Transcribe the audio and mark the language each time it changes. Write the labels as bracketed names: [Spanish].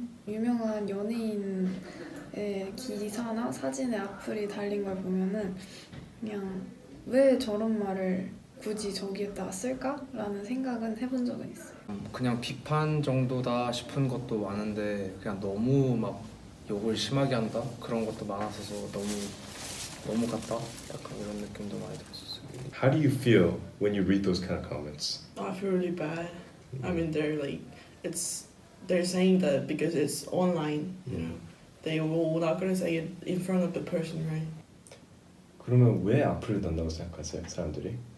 [Korean] 유명한 연예인의 기사나 사진에 악플이 달린 걸 보면은 그냥 왜 저런 말을 굳이 저기에다 쓸까라는 생각은 해본 적은 그냥 비판 정도다 싶은 것도 많은데 그냥 너무 막 욕을 심하게 한다 그런 것도 많아서 너무 같다 약간 이런 느낌도 많이 들었어요. [English] How do you feel when you read those kind of comments? I feel really bad. I mean, they're saying that because it's online, they will not gonna say it in front of the person, right? [Korean] 그러면 왜 악플을 단다고 생각하세요, 사람들이?